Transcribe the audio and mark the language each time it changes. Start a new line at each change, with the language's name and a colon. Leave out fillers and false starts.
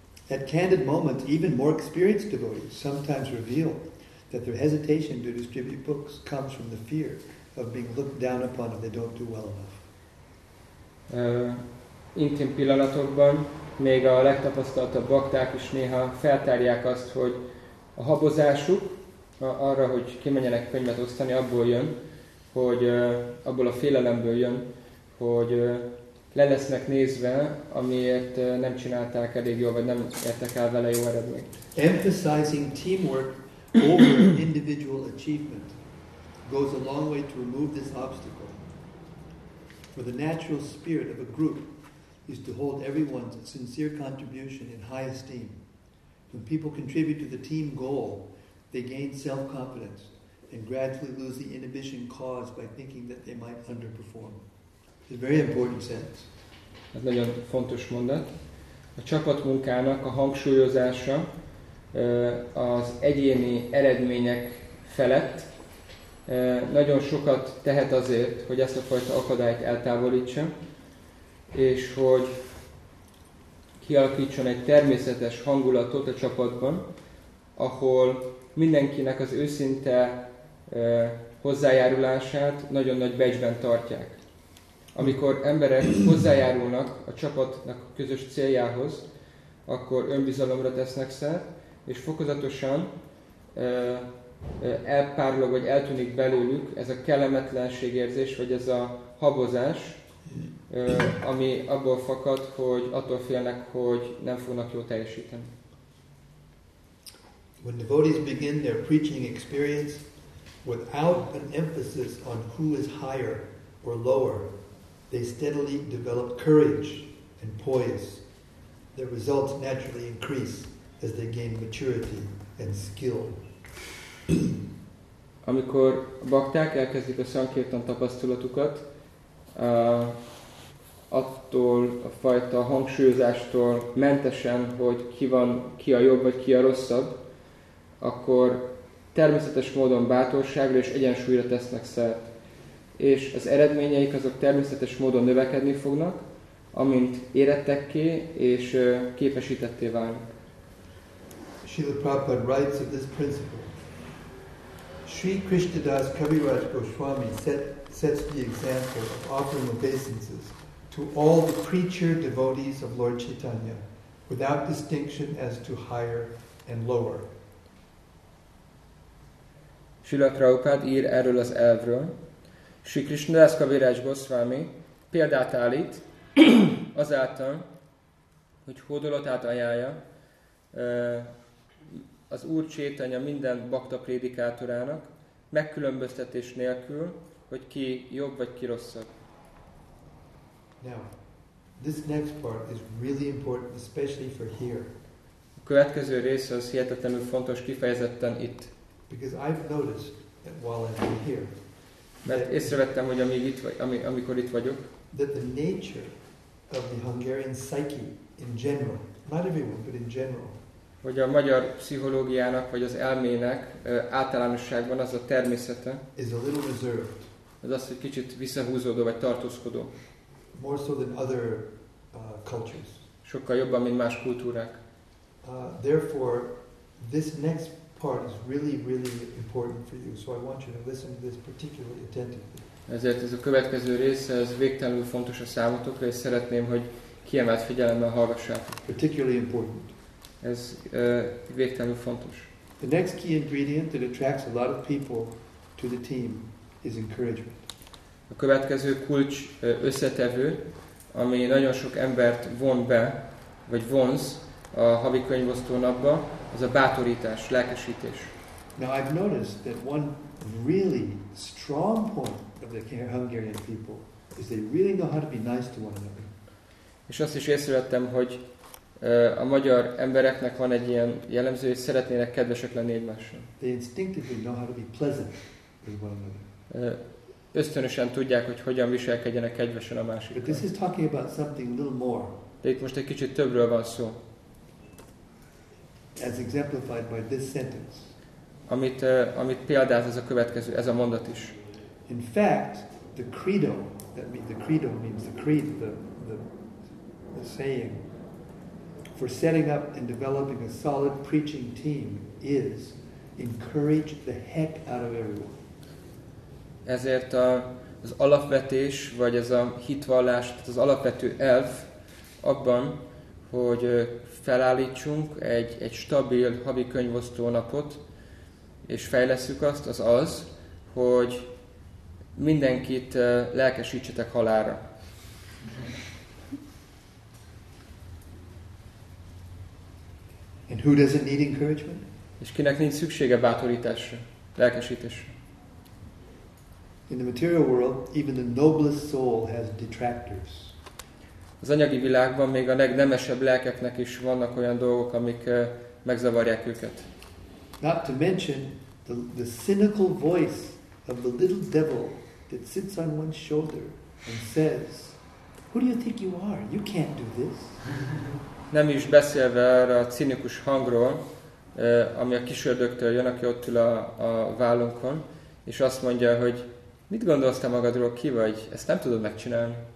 English: At candid moments, even more experienced devotees sometimes reveal that their hesitation to distribute books comes from the fear of being looked down upon if they don't do well enough.
Hungarian: Intim pillanatokban még a legtapasztaltabb bakták is néha feltárják azt, hogy a habozásuk arra, hogy kimenjenek könyvet osztani, abból jön, hogy abból a félelemből jön, hogy le lesznek nézve, amiért nem csinálták elég jól, vagy nem értek el vele jó eredményt.
English: Emphasizing teamwork over individual achievement goes a long way to remove this obstacle. For the natural spirit of a group is to hold everyone's sincere contribution in high esteem. When people contribute to the team goal, they gain self-confidence and gradually lose the inhibition caused by thinking that they might underperform. It's a very important sentence.
Hungarian: Ez nagyon fontos mondat. A csapatmunkának a hangsúlyozása az egyéni eredmények felett nagyon sokat tehet azért, hogy ezt a fajta akadályt eltávolítsa, és hogy kialakítson egy természetes hangulatot a csapatban, ahol mindenkinek az őszinte hozzájárulását nagyon nagy becsben tartják. Amikor emberek hozzájárulnak a csapatnak a közös céljához, akkor önbizalomra tesznek szert, és fokozatosan elpárlog, vagy eltűnik belőlük ez a kellemetlenségérzés, vagy ez a habozás, ami abból fakad, hogy attól félnek, hogy nem fognak jól teljesíteni.
English: When devotees begin their preaching experience without an emphasis on who is higher or lower, they steadily develop courage and poise. Their results naturally increase as they gain maturity and skill.
Hungarian: Amikor bakták elkezdik a szankirtan tapasztalatukat, attól a fajta hangsúlyozástól mentesen, hogy ki van, ki a jobb vagy ki a rosszabb, akkor természetes módon bátorságra és egyensúlyra tesznek szert. És az eredményeik azok természetes módon növekedni fognak, amint érettekké és képesítetté válnak.
English: Srila Prabhupada writes of this principle. Sri Krishnadas Kaviraj Goswami sets the example of offering obeisances to all the creature devotees of Lord Chaitanya without distinction as to higher and lower.
Hungarian: Srila Prabhupada ír erről az elvről. Sri Krishnadas Kaviraj Goswami példát állít azáltal, hogy hódolatát ajánlja az Úr Chaitanya minden bhakta prédikátorának, megkülönböztetés nélkül, hogy ki jobb vagy ki rosszabb.
English: Now, this next part is really important, especially for here.
Hungarian: A következő rész az hihetetlenül fontos, kifejezetten itt.
English: Because I've noticed that while I'm here, that
Hungarian: mert észrevettem, hogy amikor itt vagyok,
English: that the nature of the Hungarian psyche in general, not everyone, but in general,
Hungarian: hogy a magyar pszichológiának, vagy az elmének általánosságban az a természete,
English: is a little reserved.
Hungarian: Ez az, hogy kicsit visszahúzódó, vagy tartózkodó.
English: More so than other cultures.
Hungarian: Sokkal jobban, mint más kultúrák.
English: Therefore, this next part is really, really important for you, so I want you to listen to this particularly attentively.
Hungarian: Ezért ez a következő rész, ez végtelenül fontos a számotokra, és szeretném, hogy kiemelt figyelemmel hallgassátok.
English: Particularly important.
Hungarian: Ez végtelenül fontos.
English: The next key ingredient that attracts a lot of people to the team is encouragement.
Hungarian: A következő kulcs összetevő, ami nagyon sok embert von be, vagy vonz a havi könyvosztó napba, az a bátorítás, lelkesítés.
English: Now I've noticed that one really strong point of the Hungarian people is they really know how to be nice to one another.
Hungarian: És azt is észrevettem, hogy a magyar embereknek van egy ilyen jellemző, hogy szeretnének kedvesek lenni egymással.
English: They instinctively know how to be pleasant with one another.
Hungarian: Ösztönösen tudják, hogy hogyan viselkedjenek kedvesen a másikkal.
English: But this is talking about something a little more.
Hungarian: De itt most egy kicsit többről van szó.
English: As exemplified by this sentence.
Hungarian: Amit példáz ez a következő, ez a mondat is.
English: In fact, the credo means the saying. For setting up and developing a solid preaching team is encourage the heck out of everyone.
Hungarian: Ezért az alapvetés, vagy ez a hitvallás, az alapvető elv abban, hogy felállítsunk egy stabil havi könyvosztó napot, és fejlesszük azt, az, hogy mindenkit lelkesítsetek halálra.
English: And who doesn't need encouragement?
Hungarian: És kinek nincs szüksége bátorításra, lelkesítésre?
English: In the material world, even the noblest soul has detractors.
Hungarian: Az anyagi világban még a legnemesebb lelkeknek is vannak olyan dolgok, amik megzavarják őket.
English: Not to mention the cynical voice of the little devil that sits on one's shoulder and says, "Who do you think you are? You can't do this."
Hungarian: Nem is beszélve arra a cinikus hangról, ami a kisördöktől jön, aki ott ül a vállunkon, és azt mondja, hogy mit gondolsz te magadról, ki vagy? Ezt nem tudod megcsinálni.